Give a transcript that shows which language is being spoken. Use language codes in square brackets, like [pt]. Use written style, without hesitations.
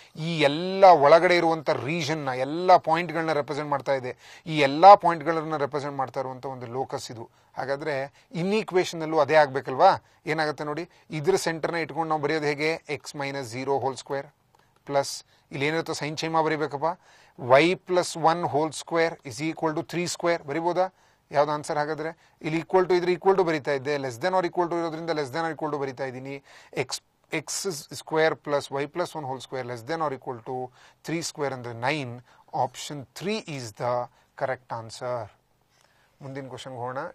[kn] ಈ ಎಲ್ಲ ಒಳಗಡೆ ಇರುವಂಥ ರೀಜನ್ನ, ಎಲ್ಲ ಪಾಯಿಂಟ್ಗಳನ್ನ ರೆಪ್ರೆಸೆಂಟ್ ಮಾಡ್ತಾ ಇದೆ. ಈ ಎಲ್ಲ ಪಾಯಿಂಟ್ಗಳನ್ನ ರೆಪ್ರೆಸೆಂಟ್ ಮಾಡ್ತಾ ಇರುವಂಥ ಒಂದು ಲೋಕಸ್ ಇದು. ಹಾಗಾದರೆ ಇನ್ಈಕ್ವೇಶನಲ್ಲೂ ಅದೇ ಆಗಬೇಕಲ್ವಾ? ಏನಾಗುತ್ತೆ ನೋಡಿ, ಇದ್ರ ಸೆಂಟರ್ನ ಇಟ್ಕೊಂಡು ನಾವು ಬರೆಯೋದು ಹೇಗೆ? x - 0² + ಇಲ್ಲಿ ಏನಿರುತ್ತೋ sign ಚೇಮಾ ಬರೀಬೇಕಪ್ಪ. [en] y plus 1 whole square is equal to 3 square. [kn] ಬರಿಬೋದ ಯಾವ್ದು ಆನ್ಸರ್ ಹಾಗಾದ್ರೆ ಇಲ್ಲಿ ಈಕ್ವಲ್ ಟು ಇದ್ರೆ ಈಕ್ವಲ್ ಟು ಬರಿತಾ ಇದ್ದೆ less than R equal to ಇರೋದ್ರಿಂದ less than R equal to ಬರಿತಾ ಇದ್ದೀನಿ [en] x square plus y plus one whole square less than or equal to 3 square [kn] ಅಂದ್ರೆ 9. [en] Option 3 is the correct answer. [kn] ಮುಂದಿನ question ಹೋಗೋಣ.